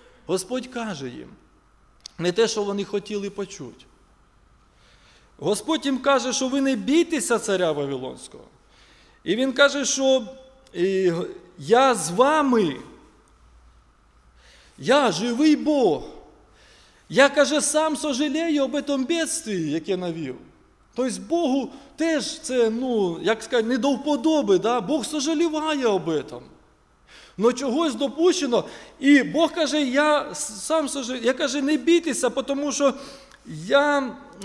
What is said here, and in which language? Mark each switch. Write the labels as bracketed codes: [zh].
[uk] Господь каже їм не те, що вони хотіли почути. Господь їм каже, що ви не бійтеся царя Вавилонського. І він каже, що я з вами, я живий Бог. Я, каже, сам [ru] сожалею об этом бедствии, [uk] яке навів. Тобто Богу теж це, ну, як сказати, не до вподоби, да? Бог сожаліває [ru] об этом. [uk] Но чогось допущено, і Бог каже, я сам сожалею, я, каже, не бійтеся, тому що я...